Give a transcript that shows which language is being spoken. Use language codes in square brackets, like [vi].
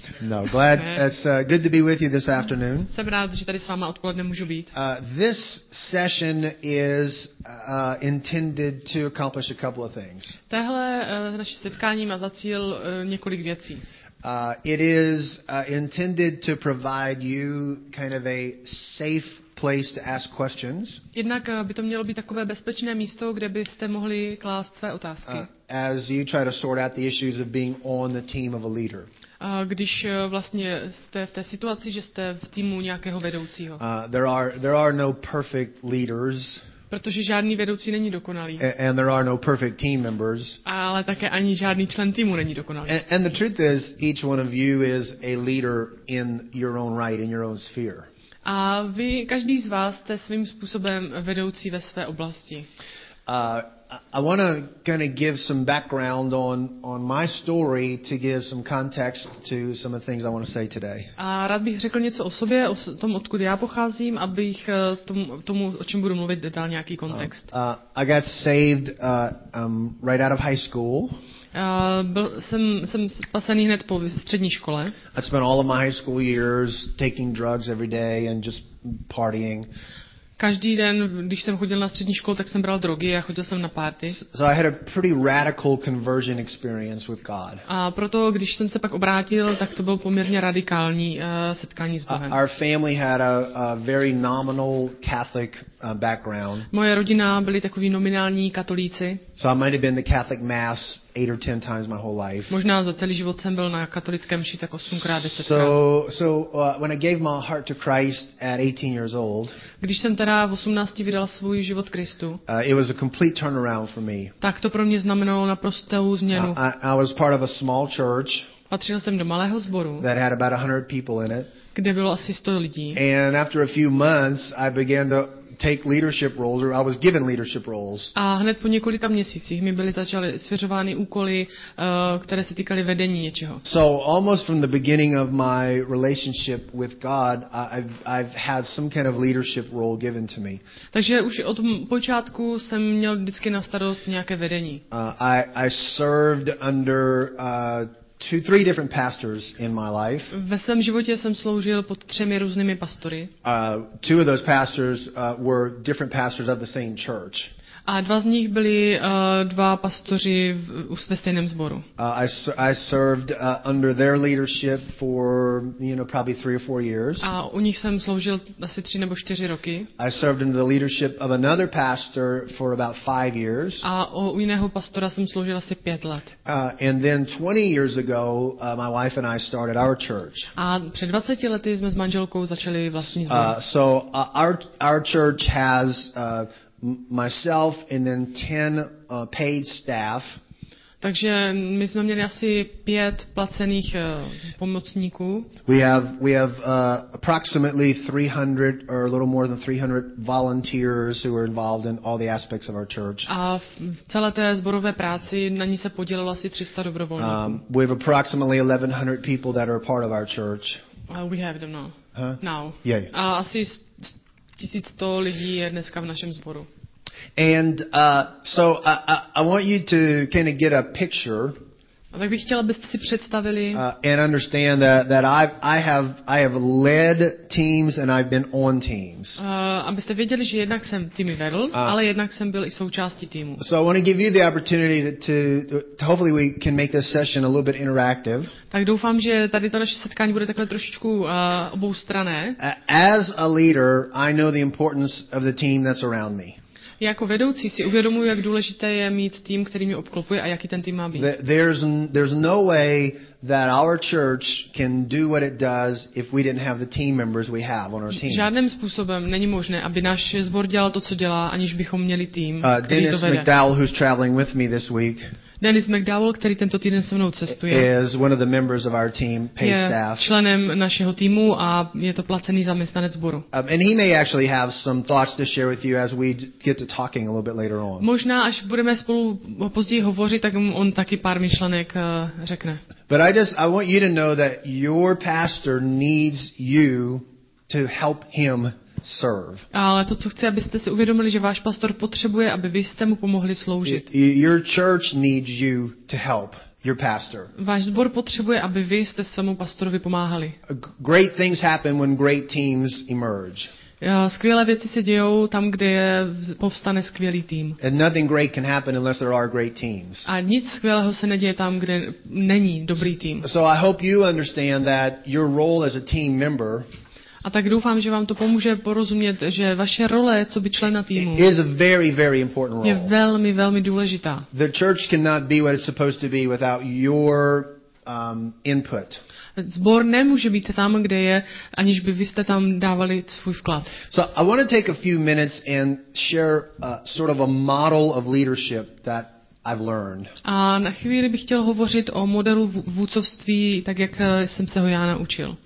[en] No, glad it's good to be with you this afternoon. [cs] Jsem rád, že tady s váma odpoledne můžu být. [en] This session is intended to accomplish a couple of things. [cs] Tohle naše setkání má za cíl několik věcí. [en] It is intended to provide you kind of a safe place to ask questions. [cs] Jednak by to mělo být takové bezpečné místo, kde byste mohli klást své otázky. [en] As you try to sort out the issues of being on the team of a leader. [cs] Když vlastně jste v té situaci, že jste v týmu nějakého vedoucího. [en] There are no perfect leaders. [cs] Protože žádný vedoucí není dokonalý. [en] And there are no perfect team members. [cs] Ale také ani žádný člen týmu není dokonalý. [en] And the truth is, each one of you is a leader in your own right, in your own sphere. [cs] A vy, každý z vás, jste svým způsobem vedoucí ve své oblasti. [en] I want to kind of give some background on my story to give some context to some of the things I want to say today. [cs] A rád bych řekl něco o sobě, o tom, odkud já pocházím, abych tomu, o čem budu mluvit, dal nějaký kontext. [en] I got saved right out of high school. [cs] Jsem spasený hned po střední škole. [en] I spent all of my high school years taking drugs every day and just partying. [cs] Každý den, když jsem chodil na střední školu, tak jsem bral drogy a chodil jsem na party. [en] So I had a pretty radical conversion experience with God. [cs] A proto, když jsem se pak obrátil, tak to bylo poměrně radikální setkání s Bohem. [en] Our family had a very nominal Catholic background. [cs] Moje rodina byli takoví nominální katolíci. [en] So I might have been the Catholic mass 8 or 10 times my whole life. [cs] Možná za celý život jsem byl na katolické mši tak 8krát, 10krát. [en] So when I gave my heart to Christ at 18 years old. [cs] Když jsem teda v 18 vydal svůj život Kristu. [en] It was a complete turnaround for me. [cs] Tak to pro mě znamenalo naprostou změnu. [en] I was part of a small church. [cs] Patřil jsem do malého sboru. [en] That had about 100 people in it. [cs] Kde bylo asi 100 lidí. [en] And after a few months I began to take leadership roles, or I was given leadership roles. [cs] A hned po několika měsících mi byly začaly svěřovány úkoly, které se týkaly vedení něčeho. [en] So almost from the beginning of my relationship with God, I've had some kind of leadership role given to me. [cs] Takže už od počátku jsem měl vždycky na starost nějaké vedení. [en] I served under two, three different pastors in my life. [cs] Ve svém životě jsem sloužil pod třemi různými pastory. [en] Two of those pastors were different pastors of the same church. [cs] A dva z nich byli dva pastoři ve stejném sboru. [en] I served under their leadership for, you know, probably 3 or 4 years. [cs] A u nich jsem sloužil asi 3 nebo 4 roky. [en] I served under the leadership of another pastor for about 5 years. [cs] A u jiného pastora jsem sloužil asi 5 let. [en] And then 20 years ago, my wife and I started our church. [cs] A před 20 lety jsme s manželkou začali vlastní sbor. [en] So our church has myself and then 10 paid staff. [cs] Takže my jsme měli asi 5 placených pomocníků. [en] We have approximately 300 or a little more than 300 volunteers who are involved in all the aspects of our church. [cs] A v celé té sborové práci na ní se podílelo asi 300 dobrovolníků. [en] We have approximately 1100 people that are part of our church. We have them now. Huh? Now. Yeah. [cs] A asi 1100 lidí je dneska v našem sboru. [en] And so I want you to kind of get a picture. [cs] Tak bych chtěl, abyste si představili. [en] And understand that I have led teams and I've been on teams. [cs] Abyste věděli, že jednak jsem týmy vedl, ale jednak jsem byl i součástí týmu. [en] So I want to give you the opportunity to hopefully we can make this session a little bit interactive. [cs] Tak doufám, že tady to naše setkání bude takhle trošičku oboustranné. [en] As a leader, I know the importance of the team that's around me. [cs] Jako vedoucí si uvědomuji, jak důležité je mít tým, který mě obklopuje a jaký ten tým má být. [en] There's no way that our church can do what it does if we didn't have the team members we have on our team. [cs] Žádným způsobem není možné, aby náš sbor dělal to, co dělá, aniž bychom měli tým, který [en] Dennis [cs] to vede. [en] Dennis McDowell, who's traveling with me this week. [cs] Dennis McDowell, který tento týden se mnou cestuje. [en] Is one of the members of our team, paid staff. [cs] Je členem našeho týmu a je to placený zaměstnanec sboru. [en] And he may actually have some thoughts to share with you as we get to talking a little bit later on. [cs] Možná až budeme spolu později hovořit, tak on taky pár myšlenek řekne. [en] But I want you to know that your pastor needs you to help him serve. [cs] Ale to, co chci, abyste si uvědomili, že váš pastor potřebuje, aby vy jste mu pomohli sloužit. [en] Your church needs you to help your pastor. [cs] Váš sbor potřebuje, aby vy jste svému pastorovi pomáhali. [en] Great things happen when great teams emerge. [cs] Skvělé věci se dějou tam, kde povstane skvělý tým. [en] And nothing great can happen unless there are great teams. [cs] A nic skvělého se neděje tam, kde není dobrý tým. [en] So I hope you understand that your role as a team member. [cs] A tak doufám, že vám to pomůže porozumět, že vaše role, co by člena týmu, [en] is a very, very important role. [cs] Je velmi, velmi důležitá. [en] The church cannot be what it's supposed to be without your input. [cs] Zbor nemůže být tam, kde je, aniž by vy jste tam dávali svůj vklad. [en] So I want to take a few minutes and share a sort of a model of leadership that I've learned. [cs] A na chvíli bych chtěl hovořit o modelu vůdcovství, tak jak jsem se ho já naučil.